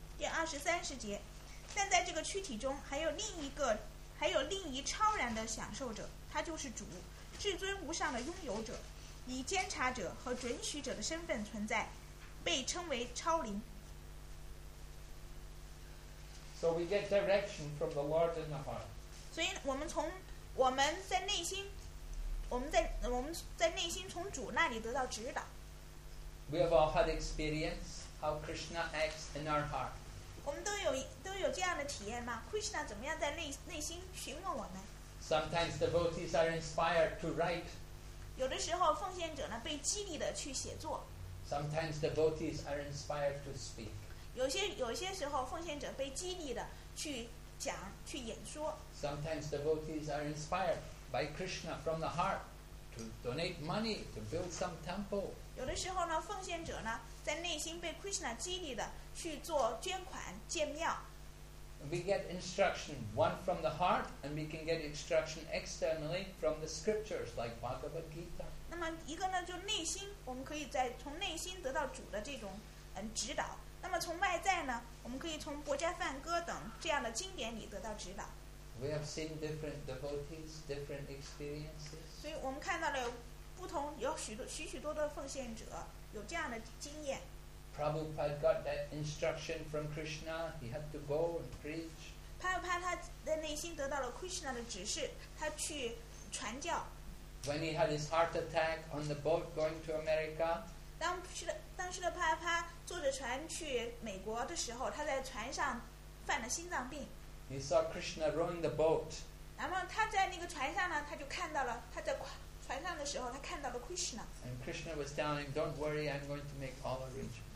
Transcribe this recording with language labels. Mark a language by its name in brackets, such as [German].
[Chinese] 第二十三十节，但在这个躯体中还有另一个，还有另一超然的享受者，他就是主，至尊无上的拥有者，以监察者和准许者的身份存在，被称为超灵。 [English] So we get direction from the Lord in the heart. [Chinese] 所以我们在内心从主那里得到指导。 [English] We have all had experience. How Krishna acts in our heart. [Chinese] 我们都有这样的体验吗 ？Krishna 怎么样在内心询问我们 [English] ？Sometimes devotees are inspired to write. [Chinese] 有的时候奉献者呢被激励的去写作。 [English] Sometimes devotees are inspired to speak. [Chinese] 有些时候奉献者被激励的去讲去演说。 [English] Sometimes devotees are inspired by Krishna from the heart. To donate money to build some temple. [Chinese] 有的时候呢，奉献者呢，在内心被 Krishna 激励的去做捐款建庙。 [English] We get instruction one from the heart, and we can get instruction externally from the scriptures like Bhagavad Gita. [Chinese] 那么一个呢，就内心，我们可以在从内心得到主的这种指导。那么从外在呢，我们可以从《薄伽梵歌》等这样的经典里得到指导。 [English] We have seen different devotees, different experiences. [Chinese] 所以我们看到了不同，有许多许许多多的奉献者有这样的经验。 [English] Prabhupada got that instruction from Krishna, he had to go and preach. [Chinese] Prabhupada 他的内心得到了 Krishna 的指示，他去传教。 [English] When he had his heart attack on the boat going to America, [Chinese] 当时的 Prabhupada 坐着船去美国的时候，他在船上犯了心脏病。 [English] He saw Krishna rowing the boat. [Chinese] 然后他在那个船上呢，他就看到了他在。船上的时候，他看到了 Krishna。 [English] And Krishna was telling him, "Don't worry, I'm going to make all arrangements."